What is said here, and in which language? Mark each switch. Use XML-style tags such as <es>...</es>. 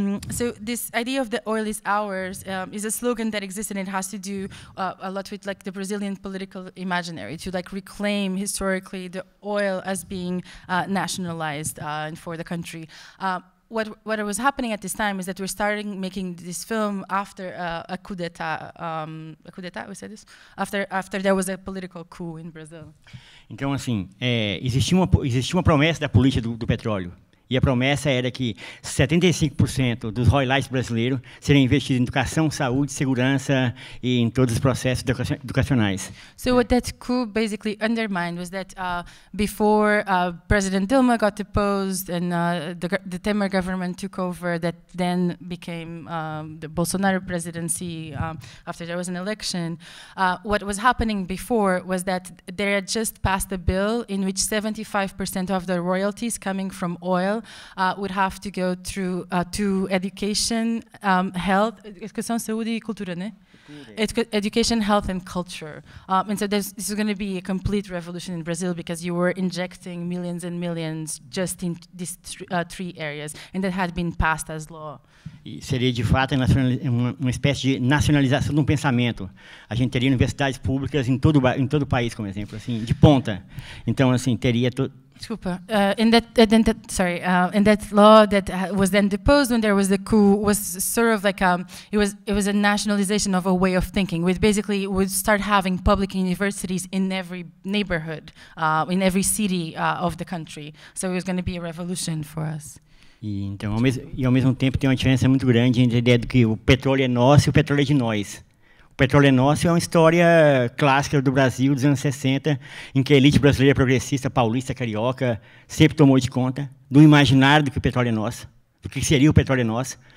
<en>So this idea of the oil is ours is a slogan that exists, and it has to do a lot with like the Brazilian political imaginary, to like reclaim historically the oil as being nationalized and for the country. What was happening at this time is that we're starting making this film after after there was a political coup in Brazil.</en> <pt>Então assim, existia uma promessa da política do petróleo. E a promessa era que 75% dos royalties brasileiros seriam investidos em educação, saúde, segurança e em todos os processos educacionais.</pt> <en>So what that coup basically undermined was that before President Dilma got deposed and the Temer government took over, that then became the Bolsonaro presidency after there was an election. What was happening before was that they had just passed a bill in which 75% of the royalties coming from oil would have to go through to education, health,</en> <pt>educação, saúde e cultura, né?</pt> <en>Education, health, and culture. And so this is going to be a complete revolution in Brazil because you were injecting millions and millions just in these three areas, and that had been passed as law.</en> <pt>E seria de fato uma espécie de nacionalização de um pensamento. A gente teria universidades públicas em todo o país, como exemplo, assim, de ponta. Então, assim, teria Desculpa.</pt> <en>In that law that was then deposed when there was the coup was sort of like it was a nationalization of a way of thinking. We basically would start having public universities in every neighborhood, in every city of the country. So it was going to be a revolution for us.</en> <pt>E então ao mesmo tempo tem uma diferença muito grande entre a ideia de que o petróleo é nosso e o petróleo é de nós. O petróleo é nosso é uma história clássica do Brasil dos anos 60, em que a elite brasileira progressista, paulista, carioca, sempre tomou de conta do imaginário do que o petróleo é nosso, do que seria o petróleo é nosso.</pt>